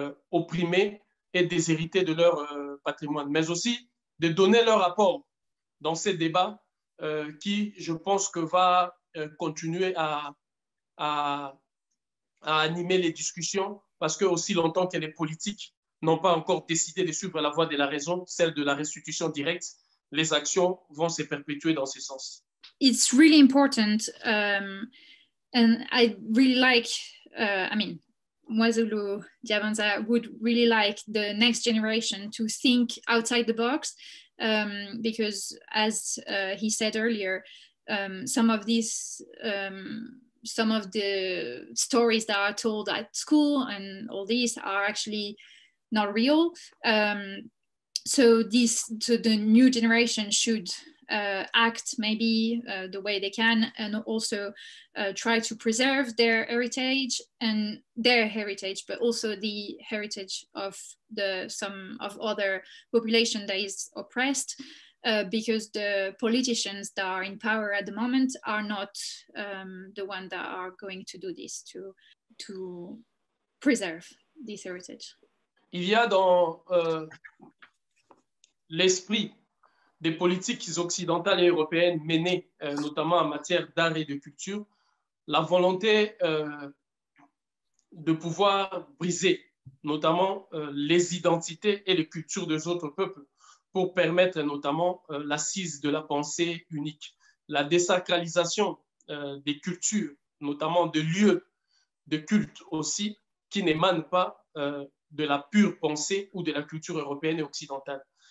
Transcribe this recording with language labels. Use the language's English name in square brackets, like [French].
[French] opprimés et déshérités de leur patrimoine, mais aussi de donner leur apport dans ces débats qui, je pense, que va continuer à animer les discussions, parce que aussi longtemps que les politiques n'ont pas encore décidé de suivre la voie de la raison, celle de la restitution directe, les actions vont se perpétuer dans ce sens. [English] It's really important, and I really like, I mean, Mwazulu Diabanza would really like the next generation to think outside the box, because as he said earlier, some of the stories that are told at school and all these are actually not real. So the new generation should act maybe the way they can, and also try to preserve their heritage and their heritage, but also the heritage of some of other population that is oppressed, because the politicians that are in power at the moment are not the one that are going to do this to preserve this heritage. [French] Il y a dans l'esprit des politiques occidentales et européennes menées, notamment en matière d'art et de culture, la volonté de pouvoir briser notamment les identités et les cultures des autres peuples pour permettre notamment l'assise de la pensée unique, la désacralisation des cultures, notamment des lieux de culte aussi, qui n'émanent pas de la pure pensée ou de la culture européenne et occidentale.